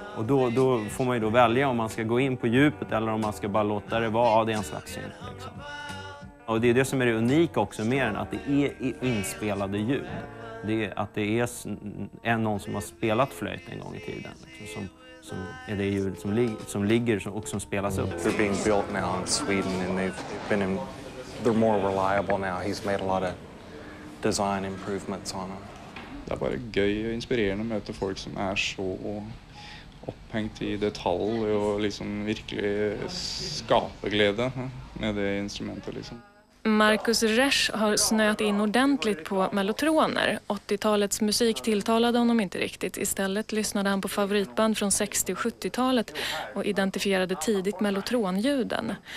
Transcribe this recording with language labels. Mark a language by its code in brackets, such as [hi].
[sv] Och då får man ju då välja om man ska gå in på djupet eller om man ska bara låta det vara, det är en slags synt liksom. Och det är det som är det unika också med den, att det är inspelade ljud. Det är att det är någon som har spelat flöjt en gång i tiden. Som är det ljud som ligger och som spelas upp. [en] They're being built now in Sweden and they're more reliable now. He's made a lot of design improvements on them. [sv] Det är bara gøy och inspirerande att möta folk som är så upphängt i detalj och liksom verkligen skapar glädje med det instrumentet liksom. Marcus Rechs har snöat in ordentligt på mellotroner. 80-talets musik tilltalade honom inte riktigt. Istället lyssnade han på favoritband från 60- och 70-talet och identifierade tidigt mellotronljuden.